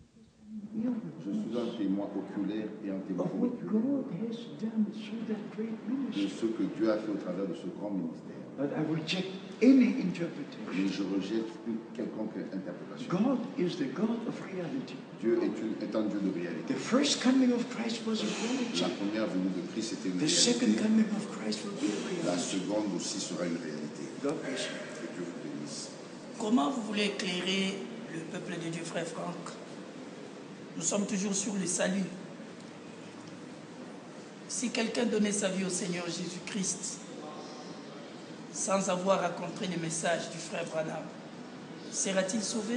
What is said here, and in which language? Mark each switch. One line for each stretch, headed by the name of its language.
French: oculaire et un témoignage. De ce que Dieu a fait au travers de ce grand ministère.
English: But I reject any interpretation.
French: Mais je rejette une quelconque interprétation.
English: God is the God of reality.
French: Dieu est, une, est un Dieu de réalité.
English: The first coming of Christ was a reality.
French: La première venue de Christ était une
English: the
French: réalité.
English: The second coming of Christ will be a reality.
French: La seconde aussi sera une réalité.
English: God bless you.
French: Que Dieu vous bénisse. Comment vous voulez éclairer le peuple de Dieu, frère Franck? Nous sommes toujours sur le salut. Si quelqu'un donnait sa vie au Seigneur Jésus-Christ sans avoir rencontré le message du frère Branham, sera-t-il sauvé?